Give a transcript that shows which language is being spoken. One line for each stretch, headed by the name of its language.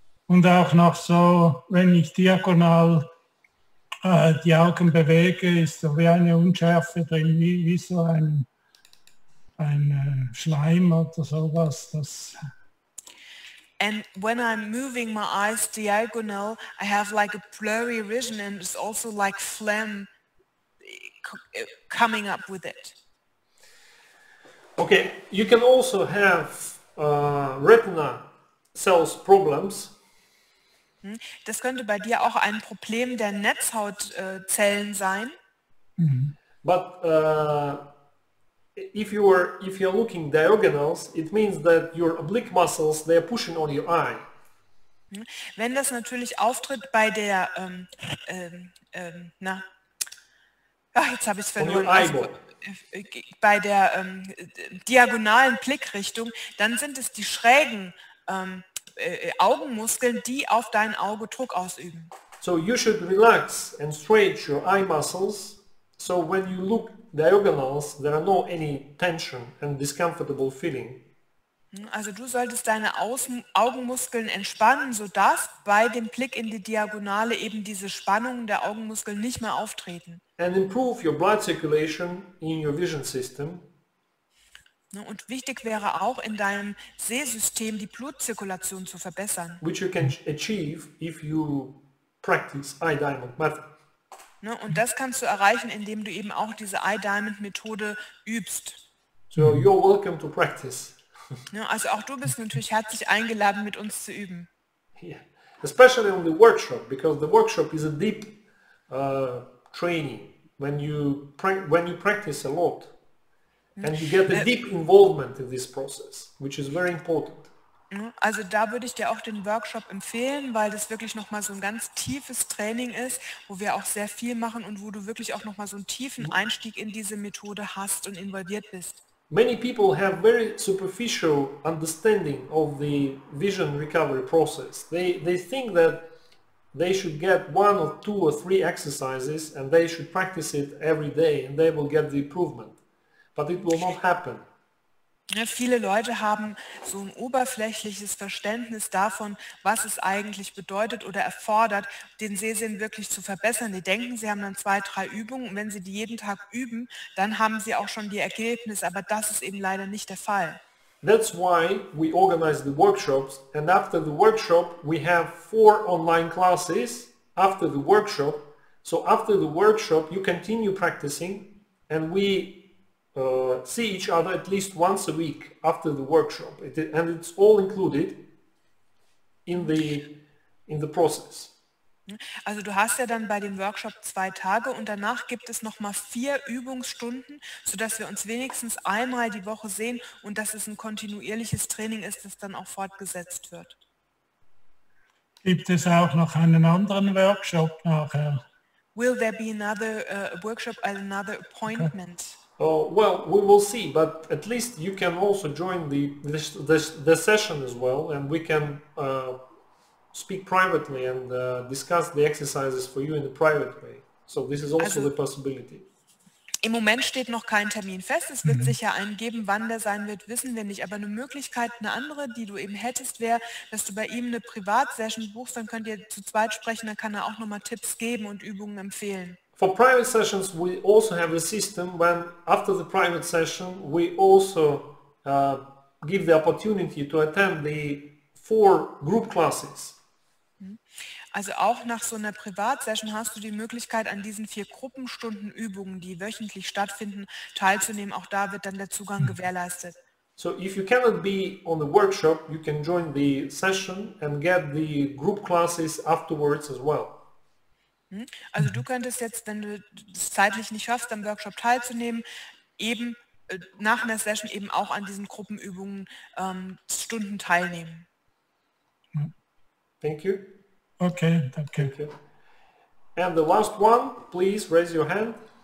German: Und auch noch so, wenn ich diagonal die Augen bewege, ist so wie eine Unschärfe drin, wie so ein Schleim oder sowas, das.
English: And when I'm moving my eyes diagonal, I have like a blurry vision and it's also like phlegm coming up with it. Okay, you can also have retina cells problems.
German: Das könnte bei dir auch ein Problem der Netzhautzellen sein.
English: But If you're looking diagonals, it means that your oblique muscles, they are pushing on your eye.
German: Wenn das natürlich auftritt bei der diagonalen Blickrichtung, dann sind es die schrägen Augenmuskeln, die auf dein Auge Druck ausüben.
English: So you should relax and stretch your eye muscles, so when you look diagonals, there are no any tension and discomfortable feeling.
German: Also du solltest deine Augenmuskeln entspannen, sodass bei dem Blick in die Diagonale eben diese Spannungen der Augenmuskeln nicht mehr auftreten.
English: And improve your blood circulation in your vision system.
German: Und wichtig wäre auch, in deinem Sehsystem die Blutzirkulation zu verbessern.
English: Which you can achieve if you practice eye diamond method.
German: Und das kannst du erreichen, indem du eben auch diese Eye Diamond Methode übst.
English: So you're welcome to practice.
German: Also auch du bist natürlich herzlich eingeladen, mit uns zu üben.
English: Yeah. Especially on the workshop, because the workshop is a deep training. When you practice a lot, and you get a deep involvement in this process, which is very important.
German: Also da würde ich dir auch den Workshop empfehlen, weil das wirklich nochmal so ein ganz tiefes Training ist, wo wir auch sehr viel machen und wo du wirklich auch nochmal so einen tiefen Einstieg in diese Methode hast und involviert bist.
English: Many people have very superficial understanding of the vision recovery process. They think that they should get one or two or three exercises and they should practice it every day and they will get the improvement. But it will not happen.
German: Viele Leute haben so ein oberflächliches Verständnis davon, was es eigentlich bedeutet oder erfordert, den Sehsinn wirklich zu verbessern. Die denken, sie haben dann 2, 3 Übungen und wenn sie die jeden Tag üben, dann haben sie auch schon die Ergebnisse, aber das ist eben leider nicht der Fall.
English: That's why we organize the workshops and after the workshop we have 4 online classes after the workshop. So after the workshop you continue practicing and we see each other at least once a week after the workshop, and it's all included in the process.
German: Also du hast ja dann bei dem Workshop 2 Tage und danach gibt es nochmal 4 Übungsstunden, sodass wir uns wenigstens einmal die Woche sehen und dass es ein kontinuierliches Training ist, das dann auch fortgesetzt wird. Gibt es auch noch einen anderen Workshop nachher?
English: Will there be another workshop or another appointment? Okay. Well, we will see, but at least you can also join the session as well, and we can speak privately and discuss the exercises for you in a private way. So this is also the possibility.
German: Im Moment steht noch kein Termin fest. Es wird sicher einen geben. Wann der sein wird, wissen wir nicht. Aber eine Möglichkeit, eine andere, die du eben hättest, wäre, dass du bei ihm eine Privatsession buchst. Dann könnt ihr zu zweit sprechen. Dann kann er auch nochmal Tipps geben und Übungen empfehlen.
English: For private sessions, we also have a system when after the private session, we also give the opportunity to attend the 4 group classes.
German: Also auch nach so einer Privatsession hast du die Möglichkeit, an diesen 4 Gruppenstunden Übungen, die wöchentlich stattfinden, teilzunehmen. Auch da wird dann der Zugang gewährleistet.
English: So if you cannot be on the workshop, you can join the session and get the group classes afterwards as well.
German: Also du könntest jetzt, wenn du es zeitlich nicht schaffst, am Workshop teilzunehmen, eben nach einer Session eben auch an diesen Gruppenübungen Stunden teilnehmen.
English: Thank you.
German: Okay, danke.
English: Thank you. And the last one, please raise your hand.